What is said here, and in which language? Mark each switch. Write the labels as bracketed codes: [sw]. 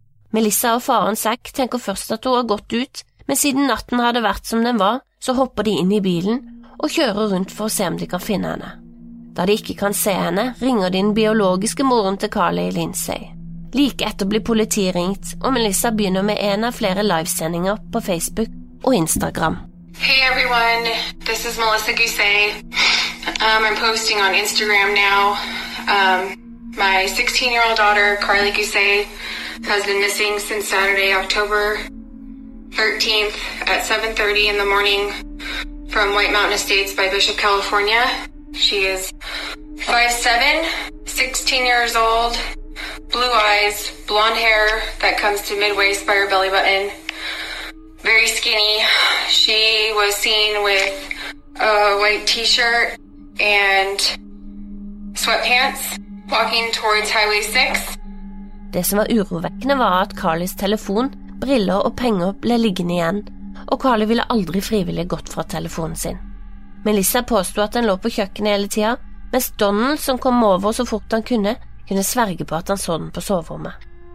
[no] Melissa og faren Zack tenker først at hun har gått ut, men siden natten har det vært som den var, så hopper de inn I bilen og kjører rundt for å se om de kan finne henne. Da de ikke kan se henne, ringer den biologiske moren til Carly Lindsay. Like etter blir politiet ringt, og Melissa begynner med en av flere livesendinger på Facebook og Instagram. [en] Hey everyone, this is Melissa Gousset. I'm posting on Instagram now. My 16-year-old daughter, Carly Gousset, has been missing since Saturday, October 13th at 7:30 in the morning from White Mountain Estates by Bishop, California. She is 5'7", 16 years old, blue eyes, blonde hair that comes to mid-waist by her belly button, very skinny. She was seen with a white t-shirt and sweatpants walking towards Highway 6. [no] Det som var urovekkende var at Carlys telefon, briller og penger ble liggende igjen, og Carly ville aldri frivillig gått fra telefonen sin. Melissa påstod at den lå på kjøkkenet hele tiden, mens Donald, som kom over så fort han kunne, kunne sverge på at han så den på soverommet.